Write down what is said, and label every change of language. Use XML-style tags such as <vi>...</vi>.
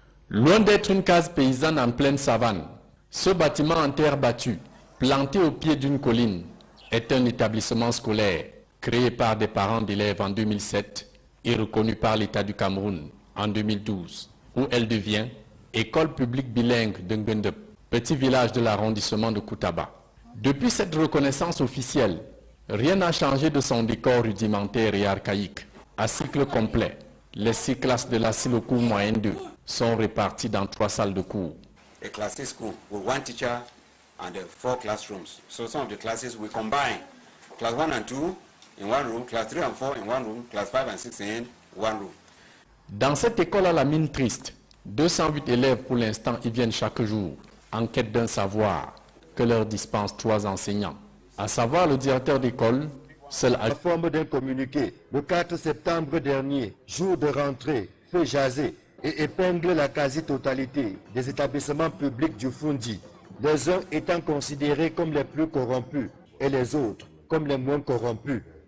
<fr>Loin d'être une case paysanne en pleine savane, ce bâtiment en terre battue, planté au pied d'une colline, est un établissement scolaire créé par des parents d'élèves en 2007 et reconnu par l'État du Cameroun en 2012, où elle devient école publique bilingue de Ngendep, petit village de l'arrondissement de Koutaba. Depuis cette reconnaissance officielle, rien n'a changé de son décor rudimentaire et archaïque. À cycle complet, les six classes de la Silokou moyenne 2 sont répartis dans trois salles de cours.</fr> <en>A classes school with one teacher and four classrooms. So some of the classes we combine class 1 and 2 in one room, class 3 and 4 in one room, class 5 and 6 in one room.</en> <fr>Dans cette école à la mine triste, 208 élèves pour l'instant y viennent chaque jour en quête d'un savoir que leur dispensent trois enseignants, à savoir le directeur d'école. Seul à la forme d'un communiqué, le 4 septembre dernier, jour de rentrée, fait jaser et épingle la quasi-totalité des établissements publics du Fundi, les uns étant considérés comme les plus corrompus et les autres comme les moins corrompus.</fr>